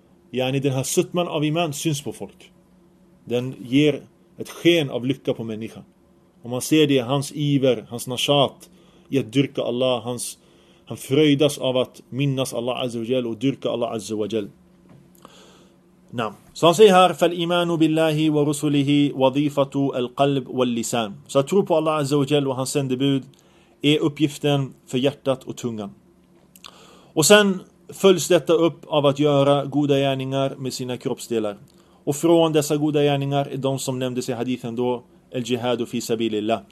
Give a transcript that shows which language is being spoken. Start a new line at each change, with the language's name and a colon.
Swedish: Yani den här sötman av iman syns på folk. Den ger ett sken av lycka på människan. Om man ser det, hans iver, hans nashat i att dyrka Allah, han fröjdas av att minnas Allah azza wa jall och dyrka Allah azza wa jall. Nah. Så han säger här:
Arabic: فَالْإِمَانُ بِاللَّهِ وَرُسُلِهِ وَظِيفَةُ الْقَلْبِ وَالْلِسَانِ.
Swedish: Så att tro på Allah azza wa jall och hans sändebud är uppgiften för hjärtat och tungan. Och sen följs detta upp av att göra goda gärningar med sina kroppsdelar. Och från dessa goda gärningar är de som nämndes i hadithen då,
Arabic: al-jihadu fi sabilillah.